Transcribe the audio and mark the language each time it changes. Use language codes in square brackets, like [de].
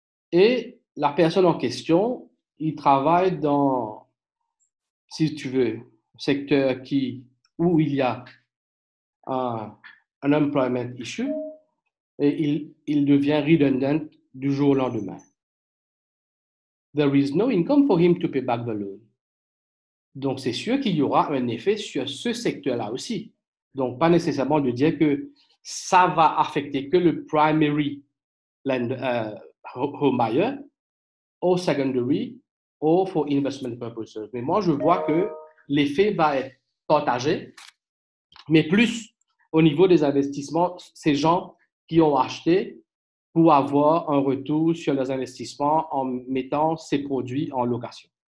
[fr] Et la personne en question, il travaille dans, si tu veux, un secteur où il y a un [en] employment issue [fr] et il devient redundant du jour au lendemain. [en] There is no income for him to pay back the loan. [fr] Donc c'est sûr qu'il y aura un effet sur ce secteur-là aussi. Donc pas nécessairement de dire que ça va affecter que le [en] primary home buyer [fr] ou secondary ou [en] for investment purposes. [fr] Mais moi, je vois que l'effet va être partagé, mais plus au niveau des investissements, ces gens qui ont acheté pour avoir un retour sur leurs investissements en mettant ces produits en location.